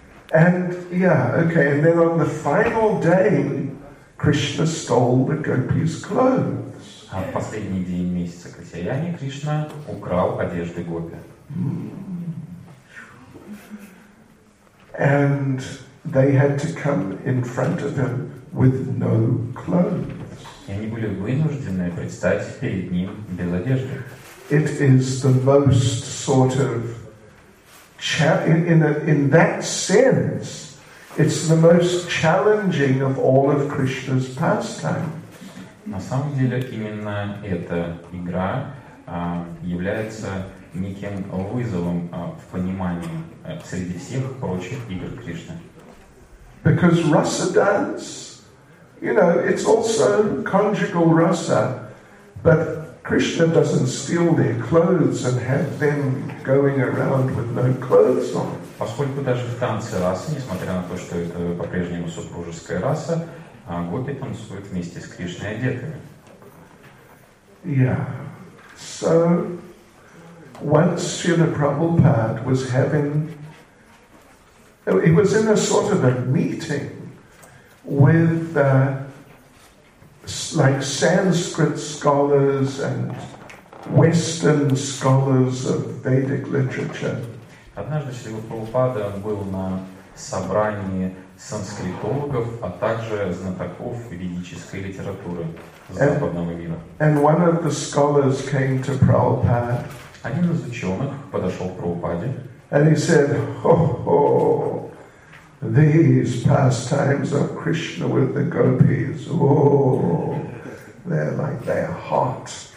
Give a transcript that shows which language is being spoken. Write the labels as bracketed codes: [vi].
[en] And yeah, okay, and then on the final day, Krishna stole the gopis' clothes. [ru] А в последний день месяца Катьяяни Кришна украл одежды гопи. [en] And they had to come in front of him with no clothes. [ru] И они были вынуждены предстать перед ним без одежды. [en] It is the most sort of in that sense, it's the most challenging of all of Krishna's pastimes. [ru] На самом деле именно эта игра является неким вызовом в понимании среди всех прочих игр Кришны. [en] Because rasa dance. You know, it's also conjugal rasa, but Krishna doesn't steal their clothes and have them going around with no clothes on. [ru] Поскольку даже в танце расы, несмотря на то, что это по-прежнему супружеская раса, гопи танцуют вместе с Кришной одетыми. [en] Yeah. So once Srila Prabhupada was having, he was in a sort of a meeting with like Sanskrit scholars and Western scholars of Vedic literature. [ru] Однажды Шрила Прабхупада был на собрании санскритологов, а также знатоков ведической литературы западного мира. [en] And one of the scholars came to Prabhupada. [ru] Один из ученых подошел к Прабхупаде. [en] And he said, "Ho ho, these pastimes of Krishna with the gopis. Oh, they're like, they're hot.